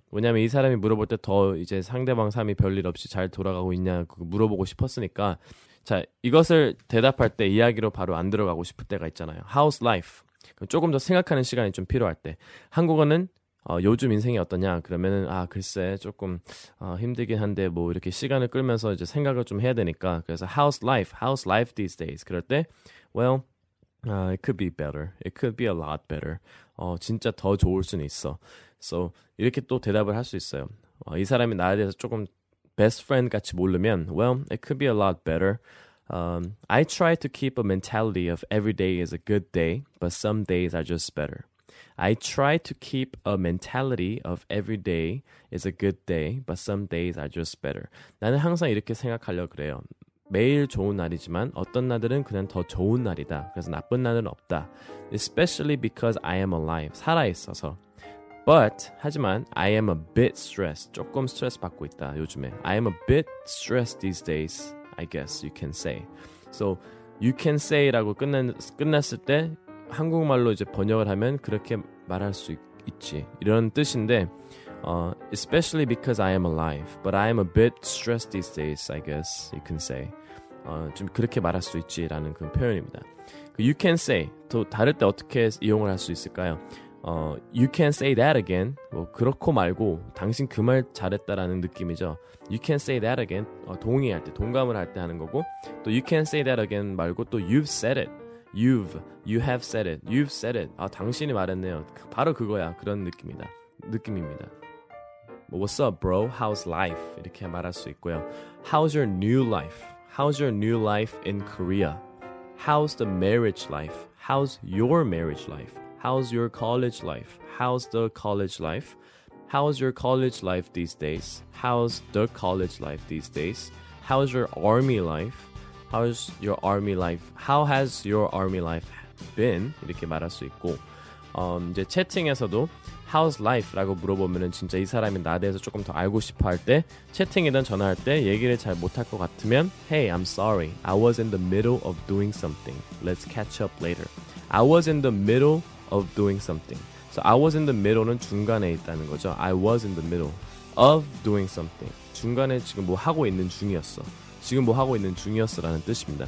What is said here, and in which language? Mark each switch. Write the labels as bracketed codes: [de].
[ko] 왜냐하면 이 사람이 물어볼 때 더 이제 상대방 삶이 별일 없이 잘 돌아가고 있냐 물어보고 싶었으니까 자 이것을 대답할 때 이야기로 바로 안 들어가고 싶을 때가 있잖아요. [en] How's life? [ko] 조금 더 생각하는 시간이 좀 필요할 때 한국어는 요즘 인생이 어떠냐 그러면은 아 글쎄 조금 힘들긴 한데 뭐 이렇게 시간을 끌면서 이제 생각을 좀 해야 되니까 그래서 [en] How's life? How's life these days? [ko] 그럴 때 [en] Well, it could be better. It could be a lot better. [ko] 진짜 더 좋을 수는 있어. So 이렇게 또 대답을 할 수 있어요. 이 사람이 나에 대해서 조금 [en] best friend [ko] 같이 모르면 [en] Well, it could be a lot better. I try to keep a mentality of every day is a good day, but some days are just better. I try to keep a mentality of every day is a good day, but some days are just better. [ko] 나는 항상 이렇게 생각하려고 그래요. 매일 좋은 날이지만 어떤 날들은 그냥 더 좋은 날이다. 그래서 나쁜 날은 없다. [en] Especially because I am alive. [ko] 살아있어서. [en] But, [ko] 하지만 [en] I am a bit stressed. [ko] 조금 스트레스 받고 있다. 요즘에. [en] I am a bit stressed these days, I guess you can say. So, you can say [ko] 라고 끝났을 때 한국말로 이제 번역을 하면 그렇게 말할 수 있지. 이런 뜻인데 [en] especially because I am alive, but I am a bit stressed these days, I guess you can say. [ko] 좀 그렇게 말할 수 있지라는 그런 표현입니다. [en] You can say, [ko] 또 다를 때 어떻게 이용을 할 수 있을까요? [en] You can say that again. [ko] 뭐 그렇고 말고 당신 그 말 잘했다라는 느낌이죠. [en] You can say that again. [ko] 동의할 때, 동감을 할 때 하는 거고 또 [en] you can say that again [ko] 말고 또 [en] you've said it. You have said it. You've said it. [ko] 아, 당신이 말했네요. 바로 그거야. 그런 느낌이다. 느낌입니다. [en] What's up, bro? How's life? [ko] 이렇게 말할 수 있고요. [en] How's your new life? How's your new life in Korea? How's the marriage life? How's your marriage life? How's your college life? How's the college life? How's your college life these days? How's the college life these days? How's your army life? How's your army life? How has your army life been? [ko] 이렇게 말할 수 있고 이제 채팅에서도 How's life?라고 물어보면은 진짜 이 사람이 나에 대해서 조금 더 알고 싶어 할 때 채팅이든 전화할 때 얘기를 잘 못할 것 같으면 [en] Hey, I'm sorry. I was in the middle of doing something. Let's catch up later. I was in the middle of doing something. So I was in the middle는 [ko] 중간에 있다는 거죠. [en] I was in the middle of doing something. [ko] 중간에 지금 뭐 하고 있는 중이었어. 지금 뭐 하고 있는 중이었어라는 뜻입니다.